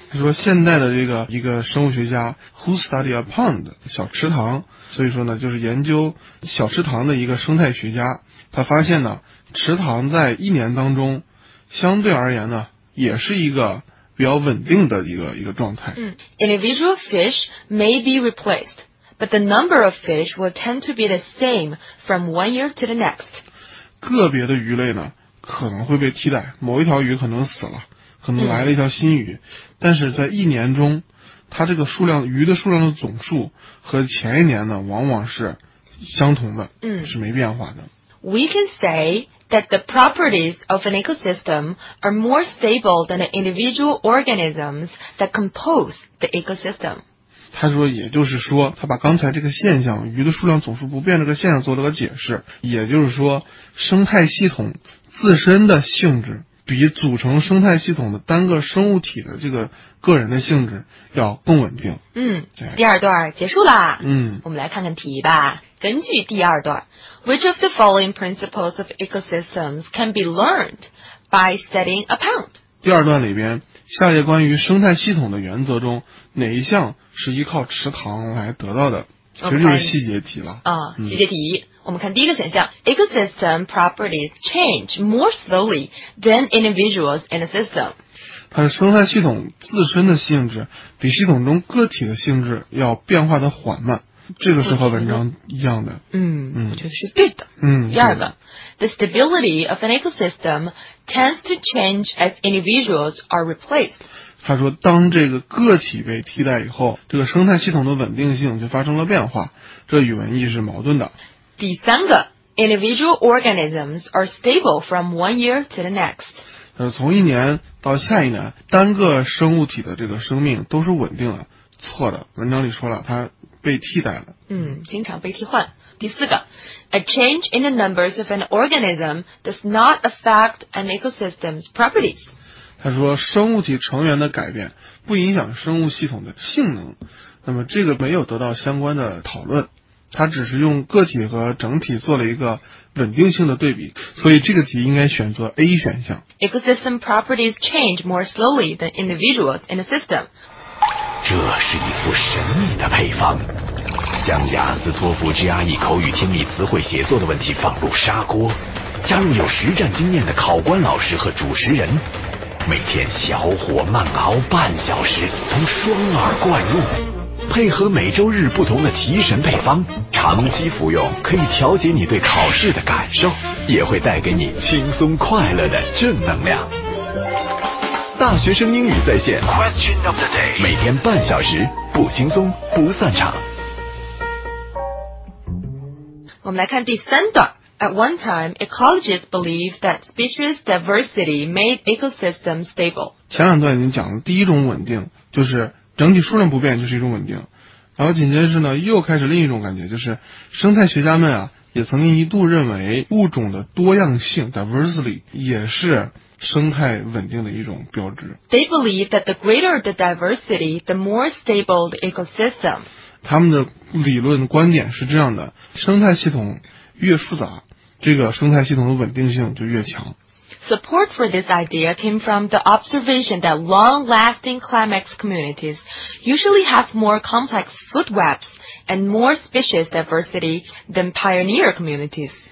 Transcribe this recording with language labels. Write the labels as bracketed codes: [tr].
[zh] 他说现代的这个一个生物学家 [en] who studied a pond, [zh] 小池塘，所以说呢就是研究小池塘的一个生态学家，他发现呢池塘在一年当中相对而言呢也是一个比较稳定的一个状态。 [en] Individual fish may be replaced, but the number of fish will tend to be the same from one year to the next. [zh] 个别的鱼类呢可能会被替代，某一条鱼可能死了，可能来了一条新鱼、嗯、但是在一年中它这个数量鱼的数量的总数和前一年呢往往是相同的、嗯、是没变化的。 [en] We can say that the properties of an ecosystem are more stable than the individual organisms that compose the ecosystem. [zh] 他说也就是说他把刚才这个现象鱼的数量总数不变这个现象做了个解释，也就是说生态系统自身的性质比组成生态系统的单个生物体的这个个人的性质要更稳定。嗯，第二段结束啦。嗯，我们来看看题吧。根据第二段 [en] ,which of the following principles of ecosystems can be learned by studying a pond? [zh] 第二段里边下列关于生态系统的原则中哪一项是依靠池塘来得到的，其实就是细节题了。细节题。 [en] 我们看 [zh] 第一个 [en] 选项 ,ecosystem properties change more slowly than individuals in a system. [zh] 它的生态系统自身的性质比系统中个体的性质要变化的缓慢。这个是和文章一样的。嗯，我觉得是对的。嗯，第二个 [en] ,the stability of an ecosystem tends to change as individuals are replaced. [zh] 他说当这个个体被替代以后，这个生态系统的稳定性就发生了变化，这与文意是矛盾的。第三个 [en] ,individual organisms are stable from one year to the next. [zh] 从一年到下一年，单个生物体的这个生命都是稳定的。错的，文章里说了它被替代了。嗯，经常被替换。第四个 [en] ,a change in the numbers of an organism does not affect an ecosystem's properties. [zh] 他说生物体成员的改变不影响生物系统的性能。那么这个没有得到相关的讨论。他只是用个体和整体做了一个稳定性的对比，所以这个题应该选择 A 选项。 [en] Ecosystem properties change more slowly than individuals in a system. [zh] 这是一副神秘的配方，将雅思托福 GRE 口语听力词汇写作的问题放入砂锅，加入有实战经验的考官老师和主持人，每天小火慢熬半小时，从双耳灌入，配合每周日不同的提神配方，长期服用可以调节你对考试的感受，也会带给你轻松快乐的正能量。大学生英语在线 [en] Question of the day， [zh] 每天半小时，不轻松不散场。我们来看第三段。 [en] At one time, ecologists believed that species diversity made ecosystems stable. [zh] 前两段已经讲了，第一种稳定就是整体数量不变就是一种稳定，然后紧接着呢又开始另一种感觉，就是生态学家们啊也曾经一度认为物种的多样性 diversity 也是生态稳定的一种标志。 [en] They believe that the greater the diversity, the more stable the ecosystem. [zh] 他们的理论观点是这样的，生态系统越复杂，这个生态系统的稳定性就越强。 [en] Support for this idea came from the observation that long-lasting climax communities usually have more complex food webs and more species diversity than pioneer communities.